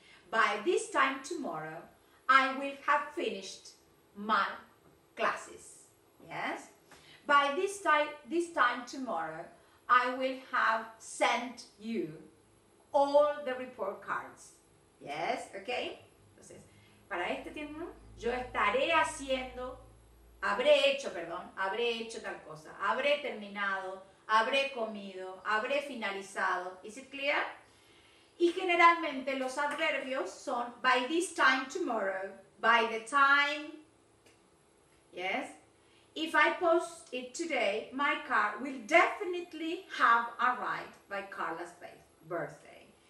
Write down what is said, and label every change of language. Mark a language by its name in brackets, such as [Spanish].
[English] By this time tomorrow, I will have finished my classes, yes? By this time tomorrow, I will have sent you all the report cards, yes? Okay? [Spanish] Entonces, para este tiempo, yo estaré haciendo, habré hecho tal cosa, habré terminado, habré comido, habré finalizado. [English] Is it clear? [Spanish] Y generalmente los adverbios son [English] by this time tomorrow, by the time, yes? If I post it today, my car will definitely have arrived by Carla's birthday.